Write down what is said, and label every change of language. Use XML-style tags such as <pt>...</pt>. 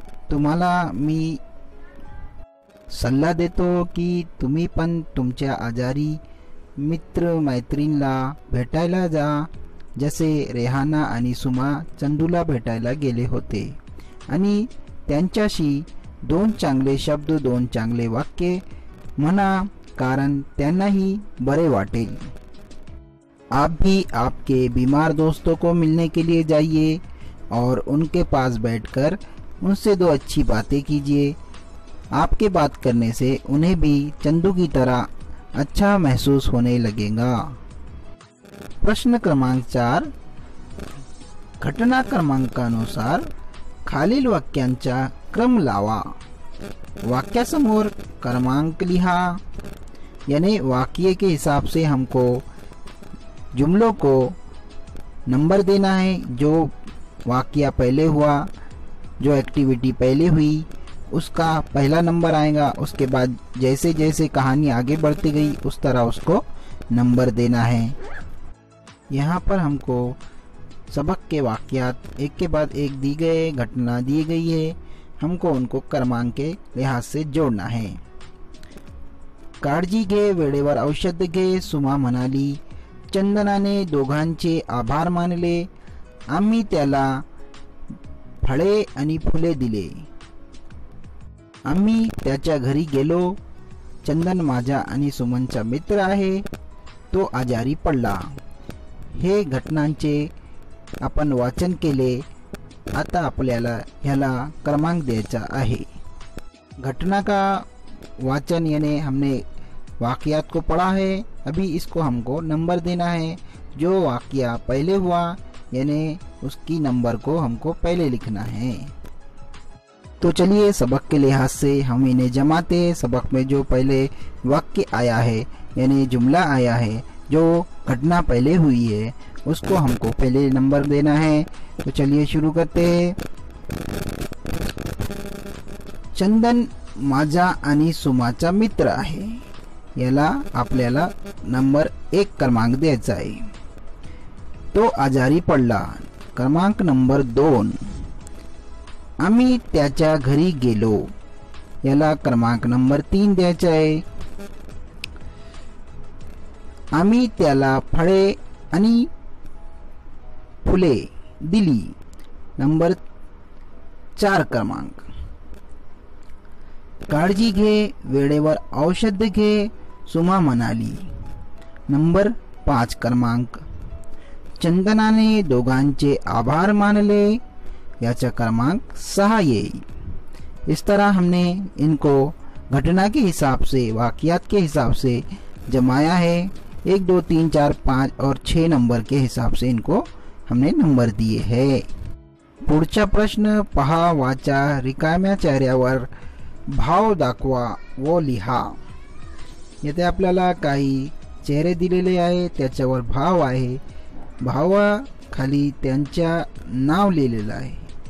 <mr>तुम्हाला मी सल्ला देतो की तुम्ही पण तुमच्या आजारी मित्र मैत्रिणीला भेटायला जा, जसे रेहाना आणि सुमा चंदूला भेटायला गेले होते आणि त्यांच्याशी दोन चांगले शब्द दोन चांगले वाक्य म्हणा, कारण त्यांनाही बरे वाटेल।</mr> <hi>आप भी आपके बीमार दोस्तों को मिलने के लिए जाइए और उनके पास बैठकर उनसे दो अच्छी बातें कीजिए, आपके बात करने से उन्हें भी चंदू की तरह अच्छा महसूस होने लगेगा।</hi> <mr>प्रश्न क्रमांक चार, घटना क्रमांकानुसार खालील वाक्यांचा क्रम लावा, वाक्यासमोर क्रमांक लिहा,</mr> <hi>यानी वाक्य के हिसाब से हमको जुमलों को नंबर देना है। जो वाक्य पहले हुआ, जो एक्टिविटी पहले हुई उसका पहला नंबर आएगा, उसके बाद जैसे जैसे कहानी आगे बढ़ती गई उस तरह उसको नंबर देना है। यहाँ पर हमको सबक के वाक्यात एक के बाद एक दी गए, घटना दी गई है, हमको उनको क्रमांक के लिहाज से जोड़ना है।</hi> <mr>काळजी घे वेळेवर औषध घे, सुमा मनाली, चंदनाने दोघांचे आभार मानले, आम्ही त्याला फळे आणि फुले दिले। आम्ही त्याच्या घरी गेलो, चंदन माझा आणि सुमनचा मित्र आहे, तो आजारी पडला। हे घटनांचे आपण वाचन केले, आता आपल्याला ह्याला क्रमांक द्यायचा आहे।</mr> <hi>घटना का वाचन याने हमने वाक्यात को पढ़ा है, अभी इसको हमको नंबर देना है। जो वाक्या पहले हुआ यानी उसकी नंबर को हमको पहले लिखना है। तो चलिए सबक के लिहाज से हम इन्हें जमाते हैं। सबक में जो पहले वाक्य आया है यानी जुमला आया है, जो घटना पहले हुई है, उसको हमको पहले नंबर देना है। तो चलिए शुरू करते हैं।</hi> <mr>चंदन माझा आणि सुमाचा मित्र आहे, याला आपल्याला नंबर एक क्रमांक द्यायचा आहे। तो आजारी पडला, क्रमांक नंबर दोन। आम्ही त्याच्या घरी गेलो, याला क्रमांक नंबर तीन द्यायचा आहे। आम्ही त्याला फळे आणि फुले दिली, नंबर चार क्रमांक। काळजी घे, वेळेवर औषध घे, सुमा म्हणाली, नंबर पाच क्रमांक। चंदनाने दोघांचे आभार मानले, याचा क्रमांक सहा येईल।</mr> <hi>इस तरह हमने इनको घटना के हिसाब से, वाक्यात के हिसाब से जमाया है। एक दो तीन चार पाँच और छः नंबर के हिसाब से इनको हमने नंबर दिए है।</hi> <mr>पुढचा प्रश्न पहा, वाचा, रिकाम्याचार्यावर भाव दाखवा वो लिहा। येथे आपल्याला काही चेहरे दिलेले आहे, त्याच्यावर भाव आहे, भावाखाली त्यांच्या नाव लिहिलेलं आहे।</mr>